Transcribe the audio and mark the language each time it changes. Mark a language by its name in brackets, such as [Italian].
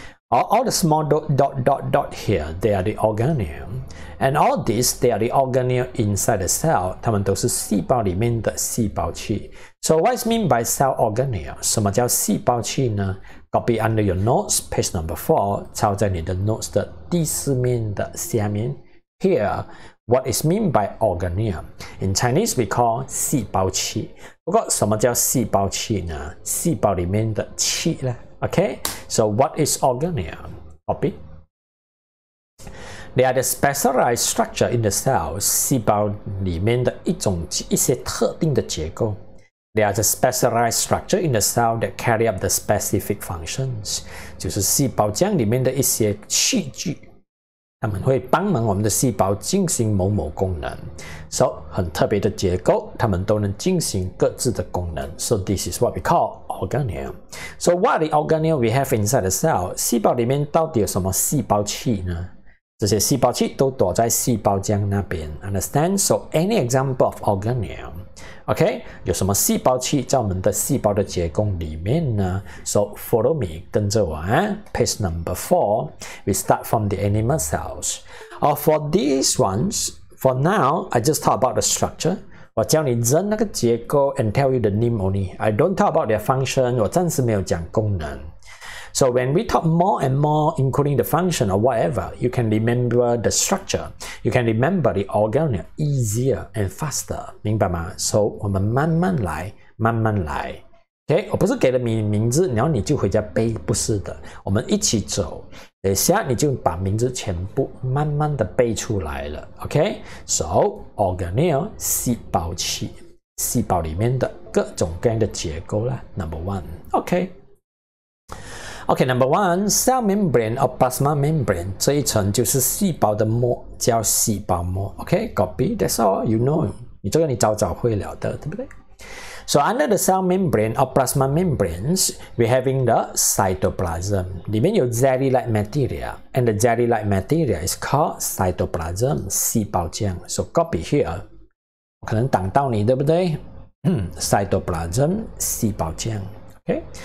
[English] All the small dot here, they are the organelle. And all these, they are the organelle inside the cell. [Chinese] 它们都是细胞里面的细胞器. [English] So what is mean by cell organelle? [Chinese] 什么叫细胞器呢? [English] Copy under your notes, page number 4. [Chinese] 抄在你的 notes 的第四面的下面. [English] Here, what is mean by organelle? In Chinese, we call 细胞器. [Chinese] 不过什么叫细胞器呢?细胞里面的器呢? [English] Okay, so what is organelle? Copy. They are the specialized structure in the cell, [Chinese] 细胞里面的一种一些特定的结构. [English] They are the specialized structure in the cell that carry out the specific functions, [Chinese] 就是细胞浆里面的一些器具, 它们会帮忙我们的细胞进行某某功能. So, 很特别的结构, 它们都能进行各自的功能. [English] So, this is what we call organelle. So, what are the organelle we have inside the cell? [Chinese] 细胞里面到底有什么细胞器呢?这些细胞器都躲在细胞浆那边. [English] Understand? So, any example of organelle. [Chinese] Okay, 有什么细胞器在我们的细胞的结构里面呢? [English] So, follow me, [Chinese] 跟着我啊. [English] Page number 4, we start from the animal cells. For these ones, for now, I just talk about the structure. [Chinese] 我教你认那个结构 [English] and tell you the name only. I don't talk about their function, [Chinese] 我暂时没有讲功能. [English] So when we talk more and more, including the function or whatever, you can remember the structure. You can remember the organelle easier and faster. [Chinese] 明白吗? So 我们慢慢来, 慢慢来.Okay, 我不是给了你名字, 然后你就回家背, 不是的. 我们一起走, 等一下你就把名字全部 慢慢地背出来了. Okay, so organelle, 细胞器, 细胞里面的各种各样的结构啦, number one. Okay. [English] Okay, number one, cell membrane or plasma membrane. [Chinese] 这一层就是细胞的膜, 叫细胞膜. [English] Okay, copy, that's all, you know. [Chinese] 你这个你早早会了的, 对不对? [English] So under the cell membrane or plasma membranes, we're having the cytoplasm. [Chinese] 里面有 [English] jelly-like material, and the jelly-like material is called cytoplasm, 细胞浆. So copy here. [Chinese] 我可能挡到你, 对不对? [English] Cytoplasm, 细胞浆.Okay?